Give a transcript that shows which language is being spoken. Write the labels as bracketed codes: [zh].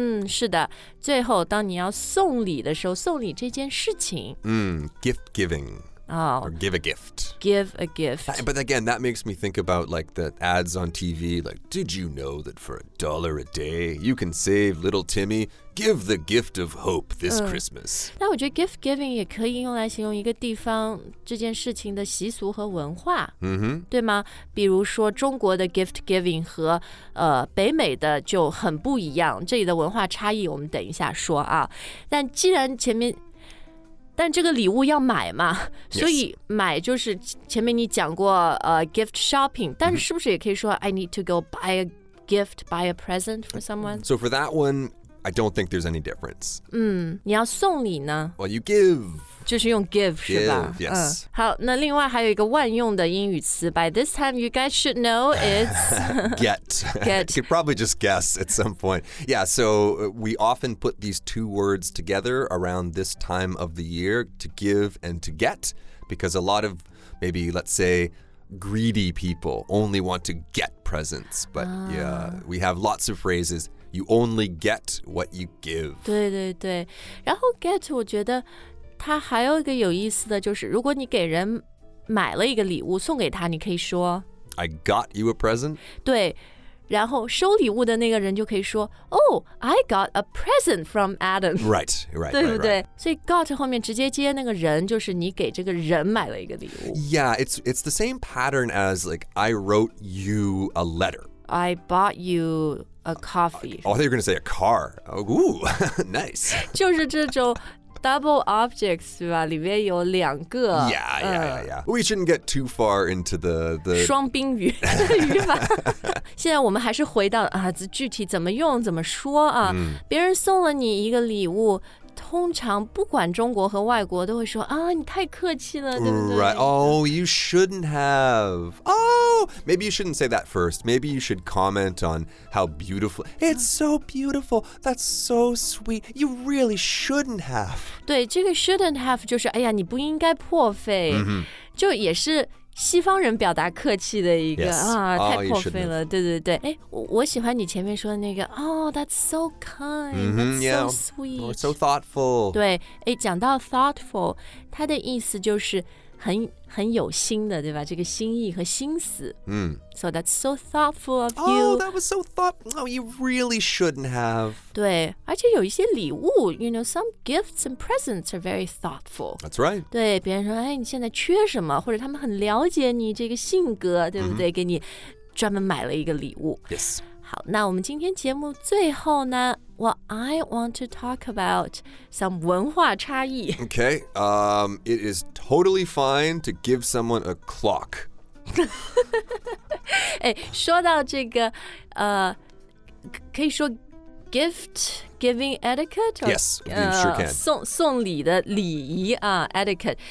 [zh] 是的。最后，当你要送礼的时候，送礼这件事情。 [en] Gift giving. Oh. Or give a gift. Give a gift. But again, that makes me think about like the ads on TV. Like, did you know that for $1 a day, you can save little Timmy? Give the gift of hope this Christmas. [zh] 那我觉得 gift giving 也可以用来形容一个地方这件事情的习俗和文化。对吗？比如说中国的 gift giving 和北美的就很不一样。这里的文化差异我们等一下说啊。但既然前面但这个礼物要买嘛、 [en] yes. [zh] 所以买就是前面你讲过、 [en] gift shopping 但是是不是也可以说、mm-hmm. I need to go buy a gift, buy a present for someone? So for that one, I don't think there's any difference. [zh] 你要送礼呢 [en] Well, you give. [zh] 就是用 give, 是吧 [en] give, yes.、 [zh] 好那另外还有一个万用的英语词 [en] By this time, you guys should know it's get. You could probably just guess at some point. Yeah, so we often put these two words together around this time of the year, to give and to get, because a lot of maybe, let's say, greedy people only want to get presents. But、yeah, we have lots of phrases. You only get what you give. [zh] 对对对，然后 get 我觉得它还有一个有意思的就是，如果你给人买了一个礼物送给他，你可以说 [en] I got you a present. [zh] 对，然后收礼物的那个人就可以说 [en] Oh, I got a present from Adam. Right, right, [zh] 对不对 [en] right, right. [zh] 所以 got 后面直接接那个人，就是你给这个人买了一个礼物。 [en] Yeah, it's the same pattern as like I wrote you a letter. I bought you. A coffee. Oh, I thought you were going to say a car. Oh, ooh, nice. [zh] 就是这种 double objects, 对吧？里面有两个。 [en] Yeah, yeah, yeah, yeah. We shouldn't get too far into the [zh] 双宾语语法。现在我们还是回到啊，具体怎么用、怎么说啊。别人送了你一个礼物，通常不管中国和外国都会说啊，你太客气了，对不对 [en] ？Right. Oh, you shouldn't have. Maybe you shouldn't say that first. Maybe you should comment on how beautiful. It's so beautiful. That's so sweet. You really shouldn't have. [zh] 对，这个 shouldn't have 就是哎呀，你不应该破费。就也是西方人表达客气的一个、 [en] yes. [zh] 啊，太破费了。对对对。哎，我喜欢你前面说的那个。 [en] Oh, that's so kind. That's so sweet. Yeah. So thoughtful. [zh] 对，哎，讲到 thoughtful， 它的意思就是。很有心的对吧这个心意和心思、 [en] So that's so thoughtful of you Oh that was so thoughtful No you really shouldn't have [zh] 对而且有一些礼物 [en] You know some gifts and presents are very thoughtful That's right [zh] 对别人说哎，你现在缺什么或者他们很了解你这个性格对不对、给你专门买了一个礼物 [en] Yes [zh] 好那我们今天节目最后呢 [en] Well I want to talk about some [zh] 文化差异 [en] Okay it isTotally fine to give someone a clock. [zh] 哎，说到这个，可以说 gift giving etiquette. [en] Or, yes, you sure can. [zh] 送礼的礼仪啊 ，etiquette.